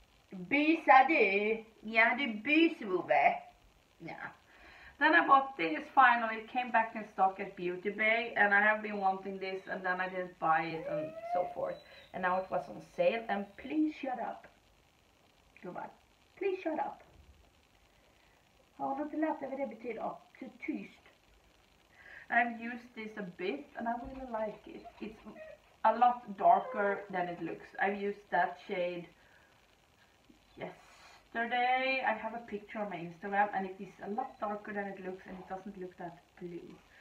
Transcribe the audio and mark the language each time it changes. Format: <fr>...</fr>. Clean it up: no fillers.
<sv>Bysa du? Ja, du bysvubbe. Ja.</sv> <en>Then I bought this finally. It came back in stock at Beauty Bay. And I have been wanting this. And then I didn't buy it and so forth. And now it was on sale. And please shut up. Go back. Please shut up.</en> <sv>Har du inte lärt dig vad det betyder? Så tyst.</sv> <en>I've used this a bit and I really like it. It's a lot darker than it looks. I've used that shade yesterday. I have a picture on my Instagram and it is a lot darker than it looks and it doesn't look that blue.</en>